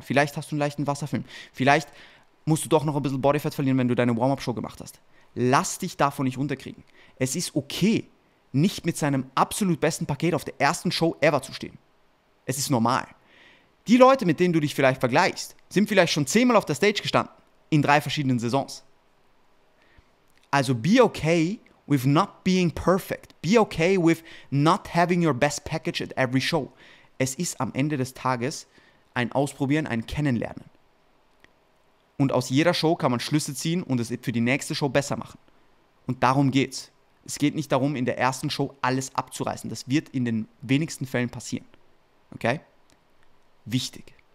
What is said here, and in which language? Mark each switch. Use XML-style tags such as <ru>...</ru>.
<de>Vielleicht hast du einen leichten Wasserfilm. Vielleicht musst du doch noch ein bisschen Bodyfat verlieren, wenn du deine Warm-Up-Show gemacht hast. Lass dich davon nicht unterkriegen. Es ist okay, nicht mit seinem absolut besten Paket auf der ersten Show ever zu stehen. Es ist normal. Die Leute, mit denen du dich vielleicht vergleichst, sind vielleicht schon 10-mal auf der Stage gestanden in 3 verschiedenen Saisons.</de> <en>Also be okay with not being perfect. Be okay with not having your best package at every show.</en> <de>Es ist am Ende des Tages ein Ausprobieren, ein Kennenlernen. Und aus jeder Show kann man Schlüsse ziehen und es für die nächste Show besser machen. Und darum geht's. Es geht nicht darum, in der ersten Show alles abzureißen. Das wird in den wenigsten Fällen passieren. Okay? Wichtig.</de>